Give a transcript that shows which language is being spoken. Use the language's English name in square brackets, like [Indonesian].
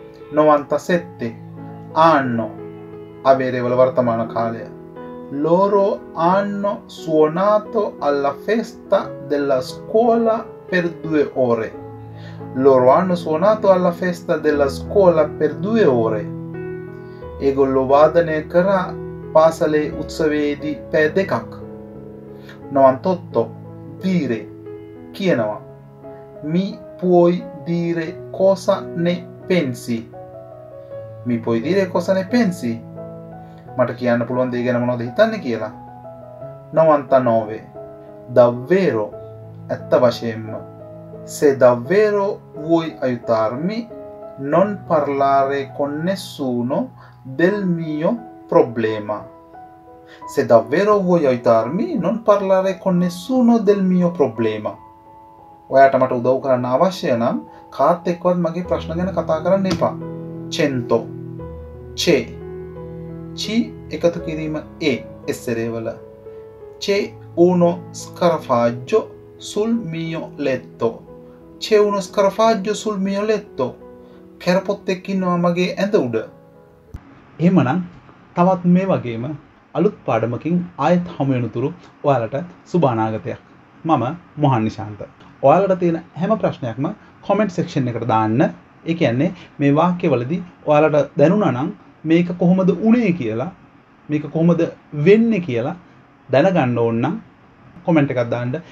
[Italian] 97 Hanno, avere il [Sinhala] vartamana kale. [Italian] Loro hanno suonato alla festa della scuola per 2 ore. Loro hanno suonato alla festa della scuola per 2 ore. [Sinhala] ඒගොල්ලෝ වාදනය කරා පාසලේ උත්සවයේදී පැය දෙකක්. [Italian] 98 dire [Sinhala] කියනවා. [Italian] Mi puoi dire cosa ne pensi? Mi puoi dire cosa ne pensi? [Sinhala] මට කියන්න පුළුවන් දේ ගැන මොනවද හිතන්නේ කියලා. 99 [Italian] davvero [Sinhala] ඇත්ත වශයෙන්ම. [Italian] Se davvero vuoi aiutarmi, non parlare con nessuno del mio problema. Se davvero vuoi aiutarmi, non parlare con nessuno del mio problema. [Sinhala] ඔයාට මට උදව් කරන්න අවශ්‍ය නම් කාත් එක්කවත් මගේ ප්‍රශ්න ගැන කතා කරන්න එපා. [Italian] 100 che chi [Sinhala] එකතු කිරීම [Italian] e essere vola. C'è uno scarafaggio sul mio letto. C'è uno scarafaggio sul mio letto. [Sinhala] කරපොත් එක්ක ඉන්නවා මගේ ඇඳ උඩ. එහෙමනම් තවත් මේ වගේම අලුත් පාඩමකින් ආයෙත් හමු වෙනතුරු ඔයාලට සුබ අනාගතයක්. මම මොහන් නිශාන්ත. ඔයාලට තියෙන හැම ප්‍රශ්නයක්ම කමෙන්ට් සෙක්ෂන් එකට දාන්න. ඒ කියන්නේ මේ වාක්‍යවලදී ඔයාලට දැනුණා නම් මේක කොහොමද උනේ කියලා, මේක කොහොමද වෙන්නේ කියලා දැනගන්න ඕන නම් කමෙන්ට් එකක් දාන්න.